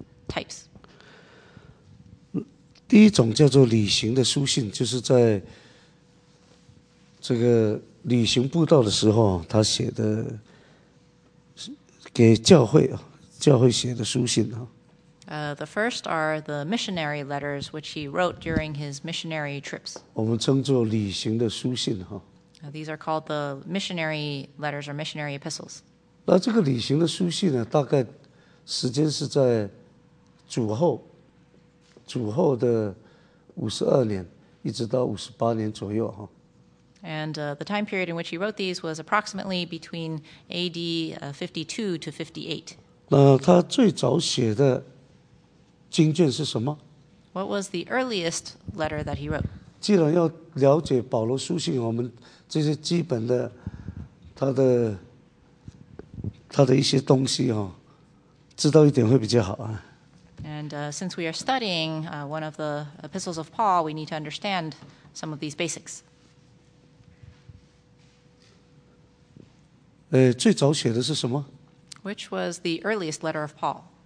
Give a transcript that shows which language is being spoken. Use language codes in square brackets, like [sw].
[en] Types. [zh] 第一种叫做旅行的书信，就是在这个旅行布道的时候，他写的给教会啊，教会写的书信啊。 [en] The first are the missionary letters which he wrote during his missionary trips. [zh] 我们称作旅行的书信哈。 [en] These are called the missionary letters or missionary epistles. [zh] 那这个旅行的书信呢，大概时间是在。主后的52年，一直到58年左右哈。 [en] And the time period in which he wrote these was approximately between A.D. 52 to 58. [zh] 那他最早写的经卷是什么 [en] ？What was the earliest letter that he wrote？ [zh] 既然要了解保罗书信，我们这些基本的他的一些东西哈，知道一点会比较好啊。 [en] And since we are studying one of the epistles of Paul, we need to understand some of these basics. [zh] 最早写的是什么 [en] ？Which was the earliest letter of Paul？